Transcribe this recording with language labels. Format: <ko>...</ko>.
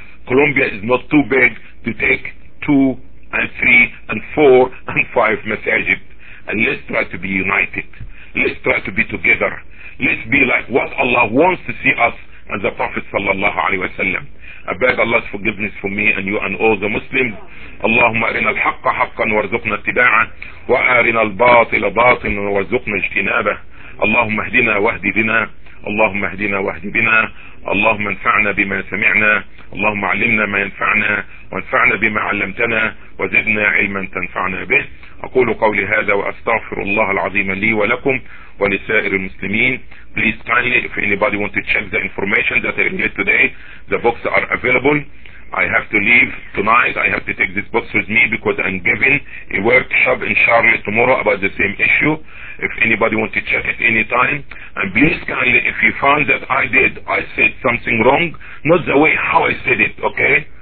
<en>Colombia is not too big to take 2 and 3 and 4 and 5 masajid. And let's try to be united. Let's try to be together. Let's be like what Allah wants to see us and the Prophet sallallahu alayhi wa sallam. I beg Allah's forgiveness for me and you and all the Muslims.</en> <ar>اللهم أرنا الحق حقا وارزقنا اتباعه وأرنا الباطل باطلا وارزقنا اجتنابه. اللهم اهدنا واهد بنا. اللهم اهدنا واهد بنا. اللهم انفعنا بما سمعنا. اللهم علمنا ما ينفعنا وانفعنا بما علمتنا وزدنا علما تنفعنا به. أقول قولي هذا وأستغفر الله العظيم لي ولكم ولسائر المسلمين.</ar> <en>Please kindly, if anybody want to check the information that I read today, the books are available. I have to leave tonight. I have to take these books with me because I'm giving a workshop in Charlotte tomorrow about the same issue. If anybody want to check it anytime, and please kindly, if you found that I said something wrong, not the way how I said it, okay?</en>